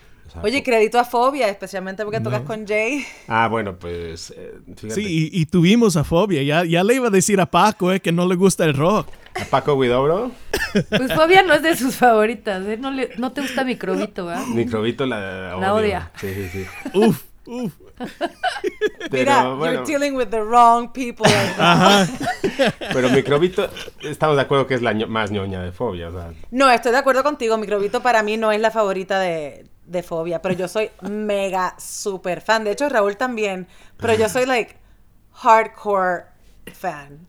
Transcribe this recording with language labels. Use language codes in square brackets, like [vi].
[es] O sea, oye, crédito a Fobia, especialmente porque tocas con Jay. Ah, bueno, pues, fíjate. Sí, y tuvimos a Fobia, ya le iba a decir a Paco, que no le gusta el rock. ¿A Paco Huidobro? Pues Fobia no es de sus favoritas, ¿eh? No te gusta Microbito, ¿verdad? Microbito la odia. Sí. Uf. Pero, mira, bueno, [en] you're dealing with the wrong people. [es] Ajá. Pero Microbito, estamos de acuerdo que es la más ñoña de Fobia, ¿verdad? No, estoy de acuerdo contigo. Microbito para mí no es la favorita de Fobia, pero yo soy mega super fan. De hecho, Raúl también, pero yo soy [en] like hardcore fan.